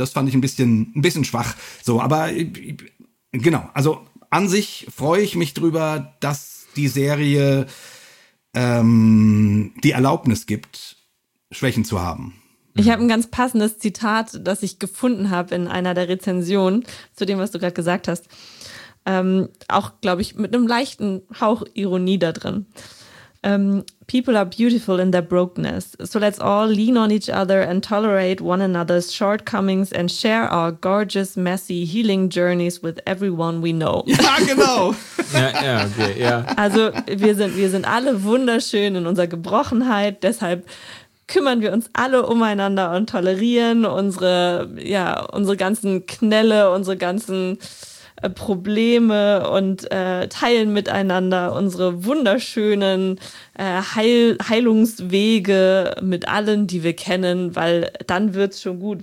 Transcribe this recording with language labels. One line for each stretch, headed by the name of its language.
German: Das fand ich ein bisschen schwach. So, aber genau, also an sich freue ich mich drüber, dass die Serie die Erlaubnis gibt, Schwächen zu haben. Ich habe ein ganz passendes Zitat, das ich gefunden habe in einer der Rezensionen zu dem, was du gerade gesagt hast. Auch, glaube ich, mit einem leichten Hauch Ironie da drin.
English: People are beautiful in their brokenness. So let's all lean on each other and tolerate one another's shortcomings and share our gorgeous, messy healing journeys with everyone we know.
German: Ja, genau. Ja, okay. Also wir sind alle wunderschön in unserer Gebrochenheit, deshalb kümmern wir uns alle umeinander und tolerieren unsere ganzen Knälle, unsere ganzen Probleme und teilen miteinander unsere wunderschönen Heilungswege mit allen, die wir kennen, weil dann wird's schon gut.